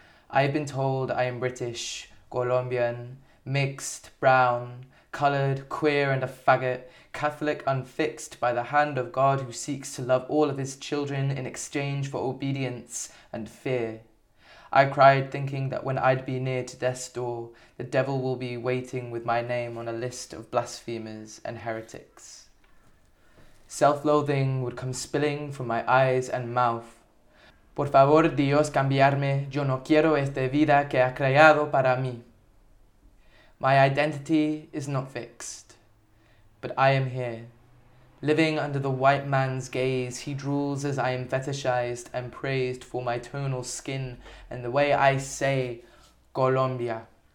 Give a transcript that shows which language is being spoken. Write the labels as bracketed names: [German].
[English] I have been told I am British, Colombian, mixed, brown, coloured, queer and a faggot, Catholic unfixed by the hand of God who seeks to love all of his children in exchange for obedience and fear. I cried thinking that when I'd be near to death's door, the devil will be waiting with my name on a list of blasphemers and heretics. Self-loathing would come spilling from my eyes and mouth. [Spanish] Por favor, Dios, cambiarme. Yo no quiero esta vida que ha creado para mí. [English] My identity is not fixed, but I am here. Living under the white man's gaze, he drools as I am fetishized and praised for my tonal skin and the way I say Colombia.